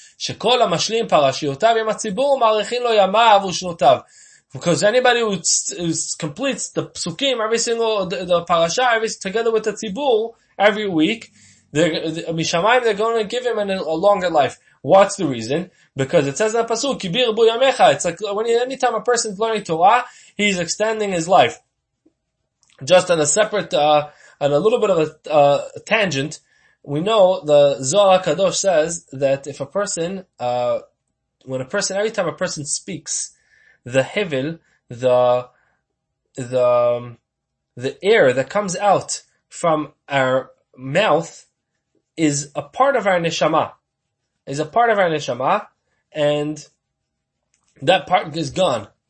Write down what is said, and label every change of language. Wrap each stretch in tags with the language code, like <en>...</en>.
<he>שכל המשלים פרשיותיו עם הציבור מעריכים לו ימיו ושנותיו.</he> <en>Because anybody who completes the פסוקים, every single, the parasha, together with the ציבור, every week, משמיים they're going to give him a longer life. What's the reason? Because it says in the פסוק,</en> <he>כי בירבו ימיך.</he> <en>It's like, anytime a person is learning Torah, he's extending his life. Just on a separate, on a little bit of a tangent, we know the Zohar HaKadosh says that if a person, every time a person speaks, the hevel, the air that comes out from our mouth is a part of our neshama, and that part is gone.</en>